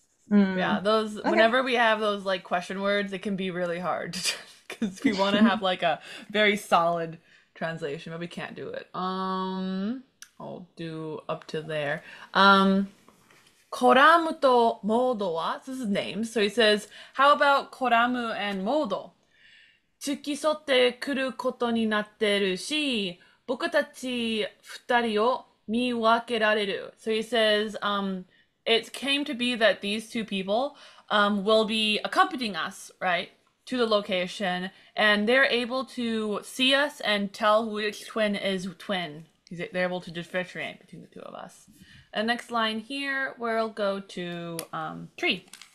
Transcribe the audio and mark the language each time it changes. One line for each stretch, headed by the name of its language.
English: Yeah, those, whenever we have those like question words, it can be really hard because we want to have like a very solid translation, but we can't do it. I'll do up to there. Koramu to Modo wa, so this is names. So he says, how about Koramu and Modo?
Japanese: 付き添ってくることになってるし、僕たち二人を見分けられる。
English: So he says, it came to be that these two people will be accompanying us, right, to the location, and they're able to see us and tell which twin is twin. They're able to differentiate between the two of us. And next line here, we'll go to tree.